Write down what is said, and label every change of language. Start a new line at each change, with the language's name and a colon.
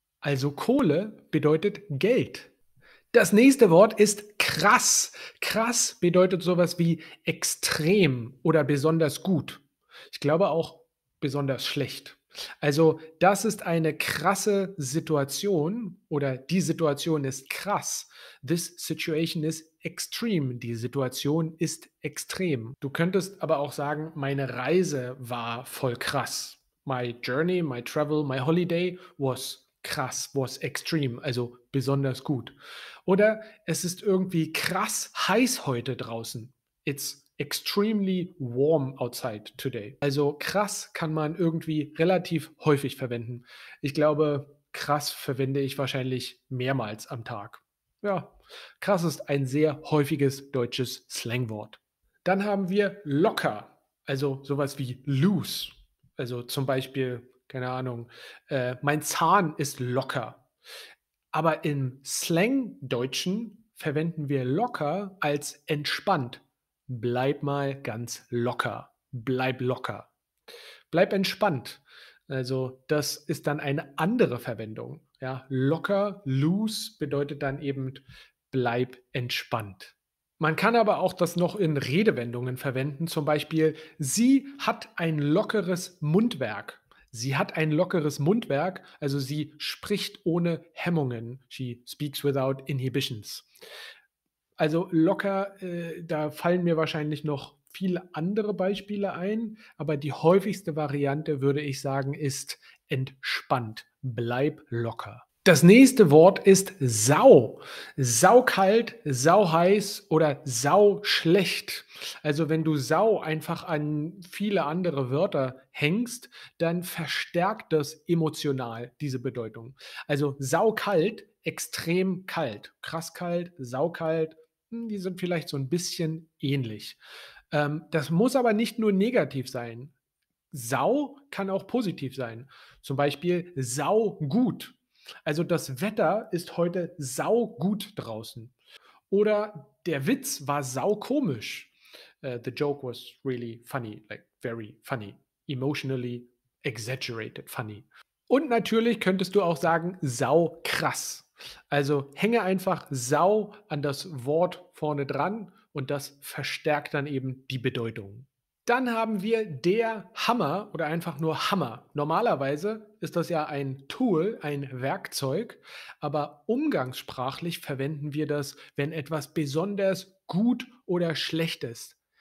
German: Also Kohle bedeutet Geld. Das nächste Wort ist krass. Krass bedeutet sowas wie extrem oder besonders gut. Ich glaube auch besonders schlecht. Also das ist eine krasse Situation oder die Situation ist krass.
English: This situation is extreme.
German: Die Situation ist extrem. Du könntest aber auch sagen, meine Reise war voll krass.
English: My journey, my travel, my holiday was krass, was extreme,
German: also besonders gut. Oder es ist irgendwie krass heiß heute draußen.
English: It's extremely warm outside today.
German: Also krass kann man irgendwie relativ häufig verwenden. Ich glaube, krass verwende ich wahrscheinlich mehrmals am Tag. Ja, krass ist ein sehr häufiges deutsches Slangwort. Dann haben wir locker, also sowas wie loose. Also zum Beispiel, keine Ahnung, mein Zahn ist locker. Aber im Slangdeutschen verwenden wir locker als entspannt. Bleib mal ganz locker. Bleib locker. Bleib entspannt. Also das ist dann eine andere Verwendung. Ja, locker, loose bedeutet dann eben bleib entspannt. Man kann aber auch das noch in Redewendungen verwenden. Zum Beispiel, sie hat ein lockeres Mundwerk. Sie hat ein lockeres Mundwerk, also sie spricht ohne Hemmungen.
English: She speaks without inhibitions.
German: Also locker, da fallen mir wahrscheinlich noch viele andere Beispiele ein, aber die häufigste Variante, würde ich sagen, ist entspannt. Bleib locker. Das nächste Wort ist sau. Saukalt, sauheiß oder sauschlecht. Also wenn du sau einfach an viele andere Wörter hängst, dann verstärkt das emotional diese Bedeutung. Also saukalt, extrem kalt. Krass kalt, saukalt. Die sind vielleicht so ein bisschen ähnlich. Das muss aber nicht nur negativ sein. Sau kann auch positiv sein. Zum Beispiel sau gut. Also das Wetter ist heute sau gut draußen. Oder der Witz war sau komisch.
English: The joke was really funny, like very funny. Emotionally exaggerated funny.
German: Und natürlich könntest du auch sagen sau krass. Also hänge einfach sau an das Wort vorne dran und das verstärkt dann eben die Bedeutung. Dann haben wir der Hammer oder einfach nur Hammer. Normalerweise ist das ja ein Tool, ein Werkzeug, aber umgangssprachlich verwenden wir das, wenn etwas besonders gut oder schlecht ist.